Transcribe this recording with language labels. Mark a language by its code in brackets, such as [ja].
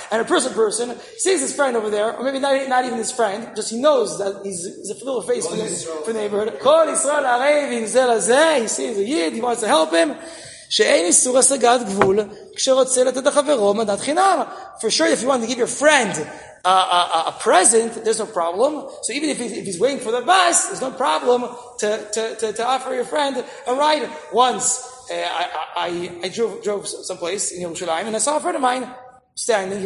[en] and a person sees his friend over there, or maybe not even his friend, just he knows that he's a familiar face from the neighborhood. [he] Kol Yisrael arev im zel hazeh, [en] he sees a yid, he wants to help him. [he] שאין איסור השגת גבול כשרוצה לתת לחברו מדד חינם. [en] For sure, if you want to give your friend a present, there's no problem. So even if he's waiting for the bus, there's no problem to offer your friend a ride. Once I drove someplace in Yerushalayim, and I saw a friend of mine standing.